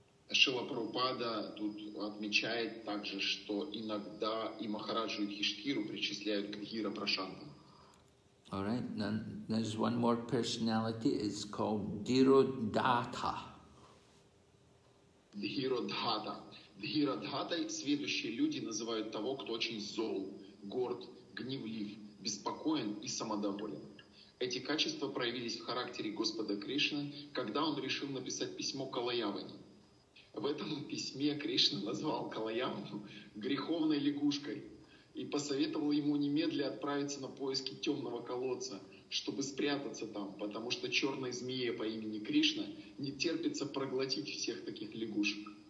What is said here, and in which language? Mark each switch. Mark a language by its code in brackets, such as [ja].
[ru] Шрила Прабхупада тут отмечает также, что иногда и Махараджу Юдхиштхиру причисляют к Дхира Прашанта. [en] All right, then there's one more personality, it's called Dhirodhata. Dhirodhata. [ru] Дхирадхатой следующие люди называют того, кто очень зол, горд, гневлив, беспокоен и самодоволен. Эти качества проявились в характере Господа Кришны, когда он решил написать письмо Калаяване. В этом письме Кришна назвал Калаяну греховной лягушкой и посоветовал ему немедленно отправиться на поиски темного колодца, чтобы спрятаться там, потому что черная змея по имени Кришна не терпится проглотить всех таких лягушек.